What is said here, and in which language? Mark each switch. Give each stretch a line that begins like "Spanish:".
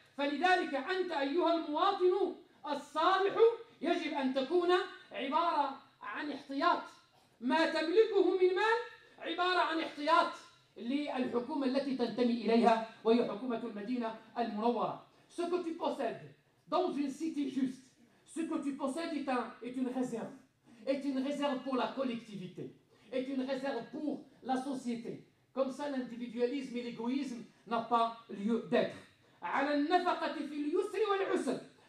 Arabic: فلذلك أنت أيها المواطن الصالح يجب أن تكون عبارة عن احتياط، ما تملكه من مال عبارة عن احتياط للحكومة التي تنتمي إليها وهي حكومة المدينة المنورة.
French: Ce que tu possèdes dans une cité juste, ce que tu possèdes est une réserve pour la collectivité, est une réserve pour la société. Comme ça, l'individualisme et l'égoïsme n'ont pas lieu d'être.
Arabic: على النفقة في اليسر والعسر.